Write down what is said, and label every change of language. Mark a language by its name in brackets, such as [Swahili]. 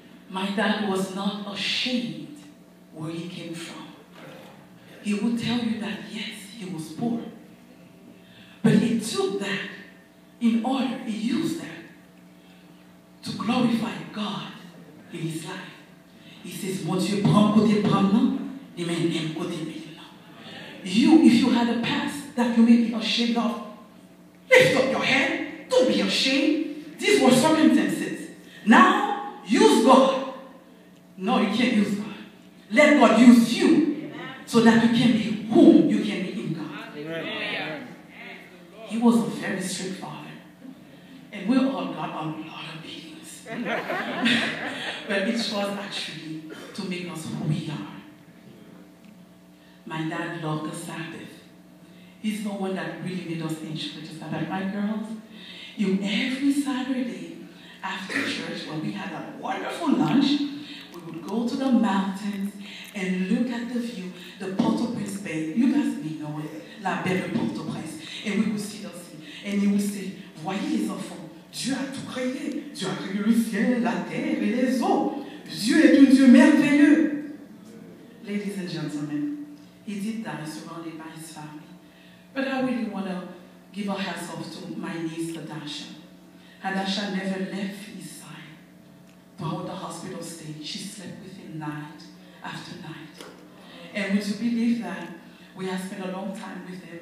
[English] My dad was not ashamed where he came from. He would tell you that, yes, he was poor. But he took that in order, he used that to glorify God in his life. He says, [French] mon Dieu, prends côté pendant, et maintenant côté maintenant. [English] You, if you had a past that you may be ashamed of, lift up your head, don't be ashamed. These were circumstances. Now, use God. No, you can't use God. Let God use you so that you can be whom you can be in God. He was a very strict father. And we all got a lot of beating. But it was actually to make us who we are. My dad loved the Sabbath. He's the one that really made us enjoy the Sabbath. My girls, you every Saturday after church, when we had a wonderful lunch, we would go to the mountains and look at the view, the Port-au-Prince Bay. You guys may know it, La Belle Port-au-Prince. And we would see the sea. And he would say, [French] voyez les enfants. Dieu a tout créé. Dieu a créé le ciel, la terre et les eaux. Dieu est un Dieu merveilleux. [English] Ladies and gentlemen, he did that surrounded by his family. But I really want to give a hats off to my niece, Hadasha. Hadasha never left his side throughout the hospital stay. She slept with him night after night. And would you believe that we have spent a long time with him?